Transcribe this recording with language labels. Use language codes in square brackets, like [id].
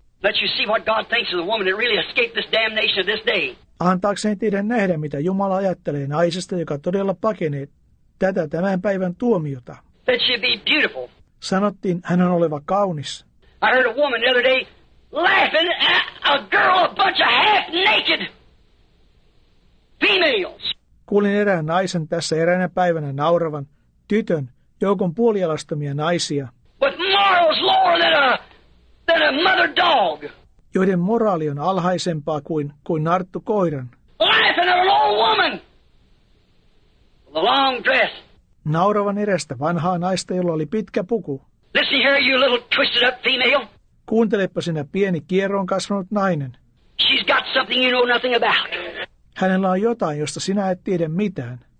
[en] Let you see what God thinks of the woman that really escaped this damnation of this day. [fi] Antaakseen teidän nähdä, mitä Jumala ajattelee naisesta, joka todella pakenee tätä tämän päivän tuomiota. [en] That she'd be beautiful. [fi] Sanottiin, hän on oleva kaunis. [en] I heard a woman the other day laughing at a girl, a bunch of half-naked females. [fi] Kuulin erään naisen tässä eräänä päivänä nauravan tytön, joukon puolialastomia naisia. [en] With morals lower than a mother dog. [fi] Joiden moraali on alhaisempaa kuin narttu koiran. [en] Laughing at an old woman. The long dress. [fi] Nauravan erästä vanhaa naista, jolla oli pitkä puku. [en] Listen here, you little twisted up female. [fi] Kuuntelepa sinä pieni kierroon kasvanut nainen. [en] She's got something you know nothing about. [fi] Hänellä on jotain, josta sinä et tiedä mitään.